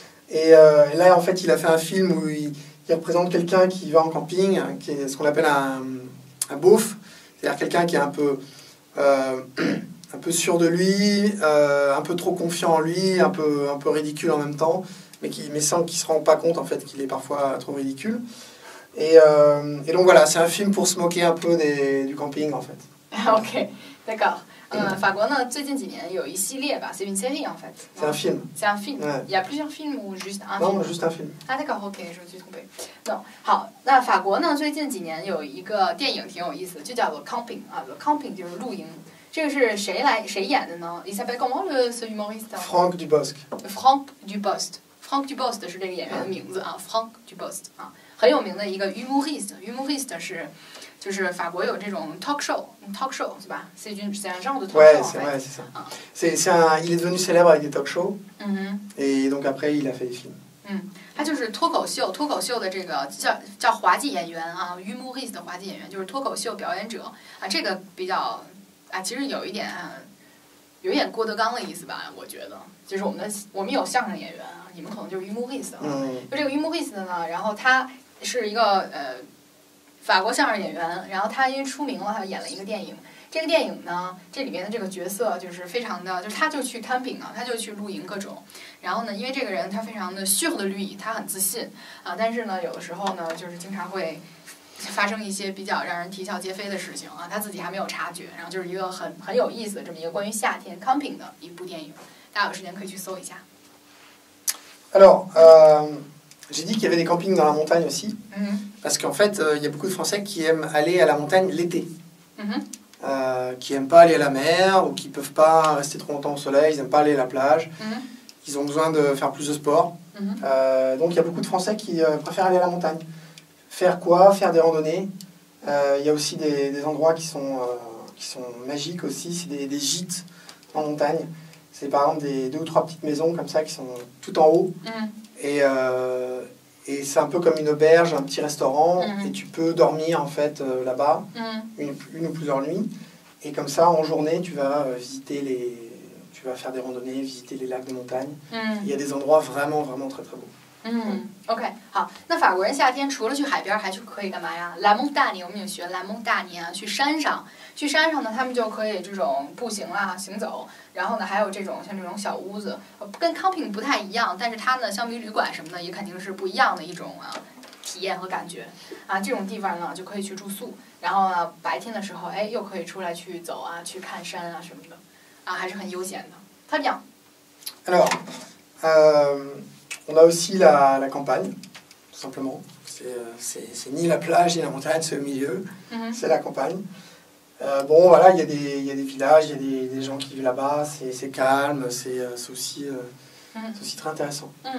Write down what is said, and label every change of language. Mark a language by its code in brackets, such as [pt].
[fr] Et là, en fait, il a fait un film où il représente quelqu'un qui va en camping, qui est ce qu'on appelle un beauf, c'est-à-dire quelqu'un qui est un peu sûr de lui, un peu trop confiant en lui, un peu ridicule en même temps, mais sans qu'il ne se rend pas compte en fait, qu'il est parfois trop ridicule. Et donc voilà, c'est un film pour se moquer un peu du camping, en fait. Ok, d'accord. [zh] 法国呢，最近几年有一系列吧 ， [fr] c'est une série en fait。 C'est un film。 C'est un film。 Il y a plusieurs films ou juste un film？ Non, juste un film。 Ah d'accord, ok, je suis trompé。 [zh] Non， 好，那法国呢，最近几年有一个电影挺有意思的，就叫做《Camping》啊，《Camping》就是露营。这个是谁演的呢 ？ [fr] Il s'appelle comment le ce humoriste？ Franck Dubosc。 Franck Dubosc。 [zh] Franck Dubosc 是这个演员的名字啊 ，Franck Dubosc 啊，很有名的一个 humoriste。Humoriste 是。就是法国有这种 talk show 是吧？ [fr] c'est un genre de talk show. Il est devenu célèbre avec des talk shows. Et donc après, il a fait des films. [zh] 他就是脱口秀的这个叫滑稽演员啊 ，humoriste 的滑稽演员，就是脱口秀表演者啊。这个比较啊，其实有一点郭德纲的意思吧，我觉得。就是我们有相声演员啊，你们可能就是 humoriste。就这个 humoriste 呢，然后他是一个法国相声演员，然后他因为出名了，他演了一个电影。这个电影呢，这里面的这个角色就是非常的，就是他就去 camping 啊，他就去露营各种。然后呢，因为这个人他非常的sûr de lui，他很自信啊，但是呢，有的时候呢，就是经常会发生一些比较让人啼笑皆非的事情啊，他自己还没有察觉。然后就是一个很有意思的这么一个关于夏天 camping 的一部电影，大家有时间可以去搜一下。 [fr] Alors, j'ai dit qu'il y avait des campings dans la montagne aussi. Parce qu'en fait, il y a beaucoup de Français qui aiment aller à la montagne l'été. Qui n'aiment pas aller à la mer, ou qui ne peuvent pas rester trop longtemps au soleil, ils n'aiment pas aller à la plage. Ils ont besoin de faire plus de sport. Donc il y a beaucoup de Français qui préfèrent aller à la montagne. Faire quoi ? Faire des randonnées. Il y a aussi des endroits qui sont magiques aussi, c'est des gîtes en montagne. C'est par exemple des deux ou trois petites maisons comme ça qui sont tout en haut. Mmh. Et c'est un peu comme une auberge, un petit restaurant. Mmh. Et tu peux dormir en fait là-bas, mmh. une ou plusieurs nuits. Et comme ça, en journée, tu vas visiter les... Tu vas faire des randonnées, visiter les lacs de montagne. Mmh. Il y a des endroits vraiment, vraiment très, très beaux. Mmh. OK. [zh] 好，那法国人夏天除了去海边还去可以干嘛呀 La montagne, 我们也学 La montagne, 去山上。去山上呢他们就可以这种步行啦行走然后呢还有这种像这种小屋子跟 camping 不太一样但是它呢相比旅馆什么的也肯定是不一样的一种啊体验和感觉啊这种地方呢就可以去住宿然后呢白天的时候哎又可以出来去走啊去看山啊什么的啊还是很悠闲的他讲 [fr] Alors, on a aussi la campagne, tout simplement. C'est ni la plage ni la montagne, c'est au milieu, mm-hmm. c'est la campagne. Bon, voilà, il y a des villages, il y a des gens qui vivent là-bas, c'est calme, c'est aussi très intéressant.